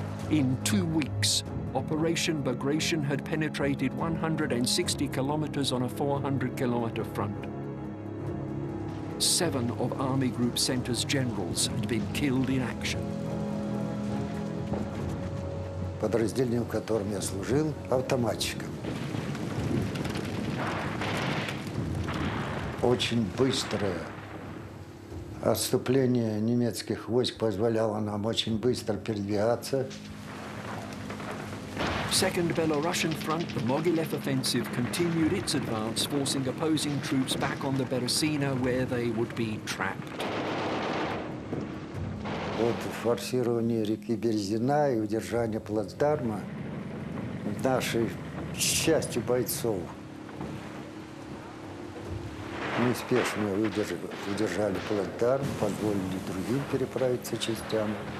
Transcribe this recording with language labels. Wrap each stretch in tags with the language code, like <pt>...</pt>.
<en>In 2 weeks, Operation Bagration had penetrated 160 kilometers on a 400-kilometer front. Seven of Army Group Center's generals had been killed in action.</en> <ru>Подразделением, в котором я служил, автоматчиком. Очень быстрое отступление немецких войск позволяло нам очень быстро передвигаться.</ru> <en>Second Belarusian Front, the Mogilev Offensive, continued its advance, forcing opposing troops back on the Beresina, where they would be trapped.</en> <ru>Вот форсирование реки Березина и удержание плацдарма, нашей счастью бойцов. Мы успешно удержали плацдарм, позволили другим переправиться частям.</ru>